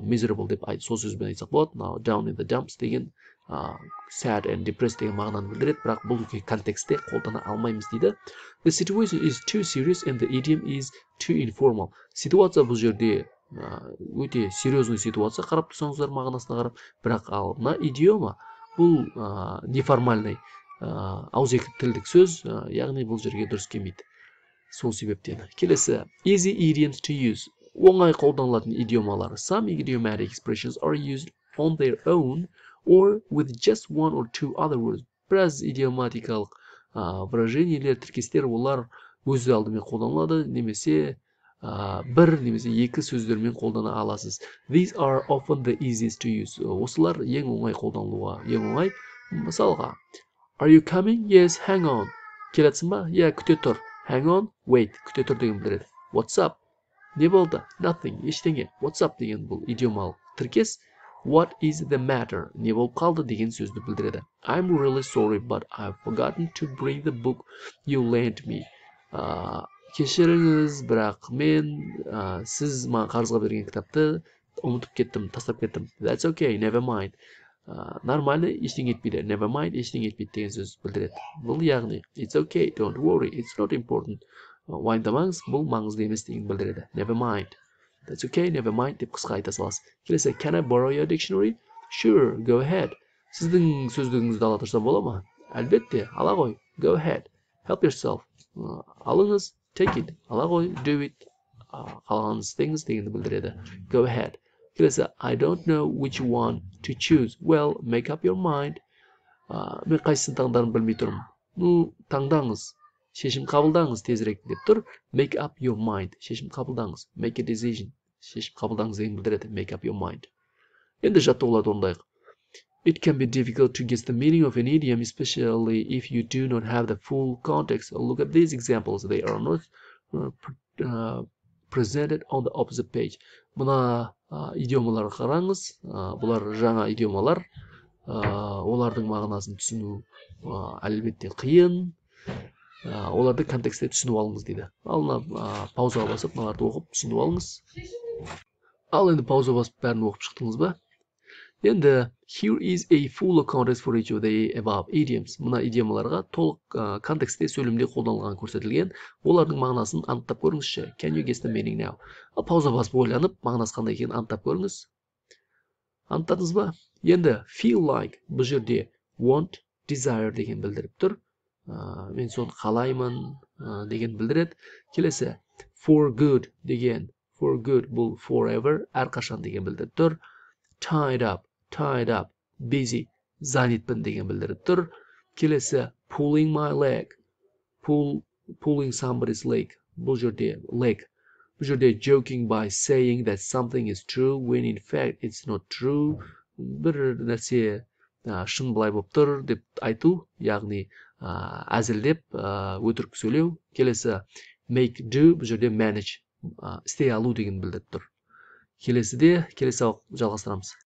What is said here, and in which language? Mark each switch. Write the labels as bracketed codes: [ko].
[kk] Miserable деп сол сөзбен айтсақ болады. [en] Now, down in the dumps [kk] деген [en] sad and depressed [kk] деген мағынаны білдіреді, бірақ бұл контексте қолдана алмаймыз дейді. [en] The situation is too serious and the idiom is too informal. [kk] Ситуация бұл жерде өте серьезный ситуация, қарап тұрсаңыздар мағынасына қарап, бірақ ал мына идиома бұл неформальный ауызекі тілдік сөз, яғни бұл жерге дұрыс келмейді. Сол себептен. Келесі, [en] easy idioms to use. [kk] Оңай қолданылатын идиомалар. [en] Some idiomatic expressions are used on their own or with just one or two other words. [kk] Біраз идиоматикалық выражениелер, тіркестер, олар өзі алдымен қолданылады, немесе бір, немесе екі сөздермен қолдана аласыз. [en] These are often the easiest to use. [kk] Осылар ең оңай қолданылуға, ең оңай. Мысалға, [en] are you coming? Yes, hang on. [kk] Келесің ба? Иә, күте тұр. [en] Hang on, wait. [kk] Күте тұр деген білдіреді. [en] What's up? [kk] Не болды? [en] Nothing, [kk] ештеңе. [en] What's up [kk] деген бұл идиомалық тіркес. [en] What is the matter? [kk] Не болып қалды деген сөзді білдіреді. [en] I'm really sorry, but I've forgotten to bring the book you lent me. [kk] Кешіріңіз, бірақ мен сіз маған қарызға берген кітапты ұмытып кеттім, тастап кеттім. [en] That's okay, never mind. [kk] Нормально, ештеңе етпейді. [en] Never mind, [kk] ештеңе етпейді деген сөз білдіреді. Бұл яғни, [en] it's okay, don't worry, it's not important. [kk] Уайымдамаңыз, бұл маңызды емес деген білдіреді. [en] Never mind. That's okay, never mind, [kk] деп қысқа айта саласыз. [en] Келесі, can I borrow your dictionary? Sure, go ahead. [kk] Сіздің сөздігіңізді ала тұрсам бола ма? Әлбетте, ала ғой. [en] Go ahead, help yourself. [kk] Алыңыз, [en] take it, [kk] ала ғой, [en] do it. [kk] Қалғаныңыз істеңіз дегенді білдіреді. [en] Go ahead. Келесі, I don't know which one to choose. Well, make up your mind. [kk] Мен қайсысын таңдарын білмей тұрмын. Ну, таңдаңыз. Шешім қабылдаңыз тезірек деп тұр. [en] Make up your mind. [kk] Шешім қабылдаңыз. [en] Make a decision. [kk] Шешім қабылдаңыз деген білдіреді. [en] Make up your mind. [kk] Енді жаттығуларды орындайық. [en] It can be difficult to guess the meaning of an idiom, especially if you do not have the full context. Look at these examples. They are not presented on the opposite page. [kk] Мына идиомалар қараңыз. Бұлар жаңа идиомалар. Олардың мағынасын түсіну әлбетте қиын. Оларды контексте түсініп алыңыз дейді. Ал мына паузаға басып, мыналарды оқып түсініп алыңыз. Ал енді пауза басып бәрін оқып шықтыңыз ба? Енді [en] here is a full context for each of the above idioms. [kk] Мына идиомаларға толық контексте сөйлемде қолданылған көрсетілген. Олардың мағынасын анықтап көріңізші. Can you guess the meaning now? Ал пауза басып ойланып, мағынасы қандай екенін анықтап көріңіз. Анықтадыңыз ба? Енді [en] feel like [kk] бұл жерде [en] want, desire [kk] деген білдіріп тұр. Мен соны қалаймын деген білдіреді. Келесі, [en] for good [kk] деген, for good бұл forever, әрқашан деген білдіріп тұр. [en] Tied up, busy, [kk] занятпын деген білдіріп тұр. Келесі, [en] pulling my leg, pulling somebody's leg, [kk] бұл жерде leg. Бұл жерде [en] joking by saying that something is true when in fact it's not true. [kk] Бір нәрсе шын былай болып тұр деп айту, яғни әзілдеп өтірік сөйлеу. Келесі, [en] make do, [kk] бұл жерде manage, істей алу деген білдіріп тұр. Келесі де, келесі сабақ жалғастырамыз.